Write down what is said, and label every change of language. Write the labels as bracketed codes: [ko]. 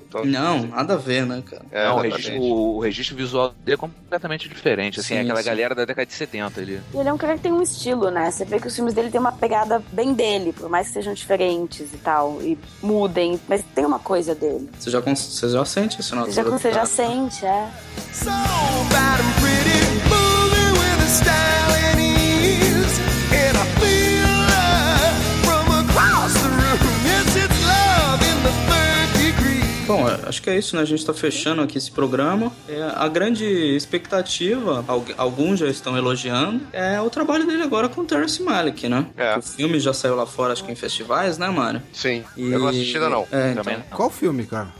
[pt] Então, não, assim, nada a ver, né, cara? É, não, o registro visual dele é completamente diferente, assim, sim, é aquela sim. galera da década de 70 ali. E ele é um cara que tem um estilo, né? Você vê que os filmes dele têm uma pegada bem dele, por mais que sejam diferentes e tal, e mudem, mas tem uma coisa dele. Você já sente isso, não? Você já sente, é. [en] So bad and pretty, moving with a style and ease. And I feel love from across the room. Yes, it's love in the third degree. [pt] Bom, acho que é isso, né? A gente tá fechando aqui esse programa. É, a grande expectativa, alguns já estão elogiando, é o trabalho dele agora com o Terrence Malick, né? É. O filme já saiu lá fora, acho que em festivais, né, mano? Sim. Eu não assisti ainda não. É, então. Qual filme, cara?